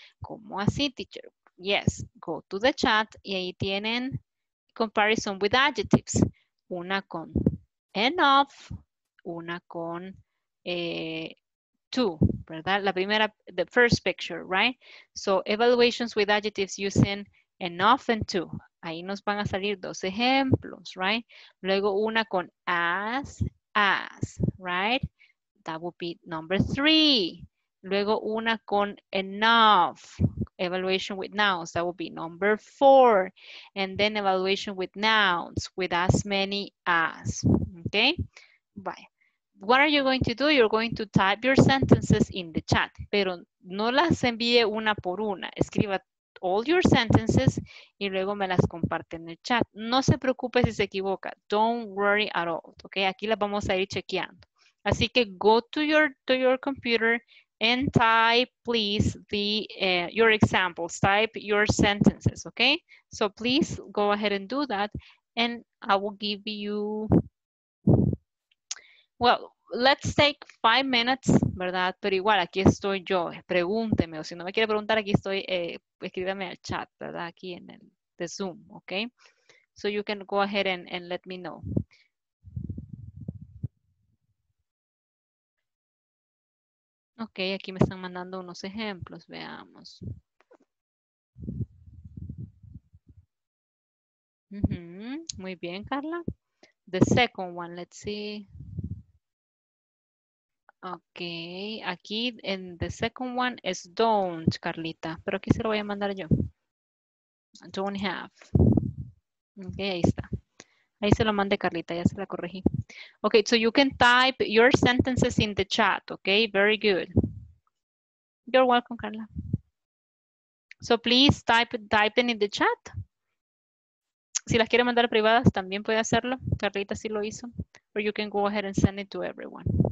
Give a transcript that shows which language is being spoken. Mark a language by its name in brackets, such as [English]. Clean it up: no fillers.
[Spanish] ¿Cómo así, [English] teacher? Yes, go to the chat [Spanish] y ahí tienen [English] comparison with adjectives. [Spanish] Una con enough, una con two, ¿verdad? La primera, [English] the first picture, right? So evaluations with adjectives using enough and two. [Spanish] Ahí nos van a salir dos ejemplos, right? Luego una con as, right? [English] That would be number three. [Spanish] Luego una con [English] enough, evaluation with nouns. That would be number four. And then evaluation with nouns, with as many as, okay? Bye. What are you going to do? You're going to type your sentences in the chat. [Spanish] Pero no las envíe una por una. Escriba [English] all your sentences [Spanish] y luego me las comparte en el chat. No se preocupe si se equivoca. [English] Don't worry at all. [Spanish] Okay, aquí las vamos a ir chequeando. Así que [English] go to your computer and type, please, your examples. Type your sentences, okay? So please go ahead and do that. And I will give you... Well, let's take 5 minutes, ¿verdad? [Spanish] Pero igual, aquí estoy yo, pregúnteme. O si no me quiere preguntar, aquí estoy, escríbeme al chat, ¿verdad? Aquí en el de Zoom, ¿ok? [English] So you can go ahead and let me know. [Spanish] Ok, aquí me están mandando unos ejemplos, veamos. [English] Mm-hmm. [Spanish] Muy bien, [English] Carla. The second one, let's see. [Spanish] Okay, aquí en [English] the second one [Spanish] es don't, Carlita, pero aquí se lo voy a mandar yo. [English] Don't have. [Spanish] Okay, ahí está. Ahí se lo mandé, Carlita, ya se la corregí. [English] Okay, so you can type your sentences in the chat, okay? Very good. You're welcome, Carla. So please type in the chat. [Spanish] Si las quiere mandar privadas, también puede hacerlo. Carlita sí lo hizo. [English] Or you can go ahead and send it to everyone.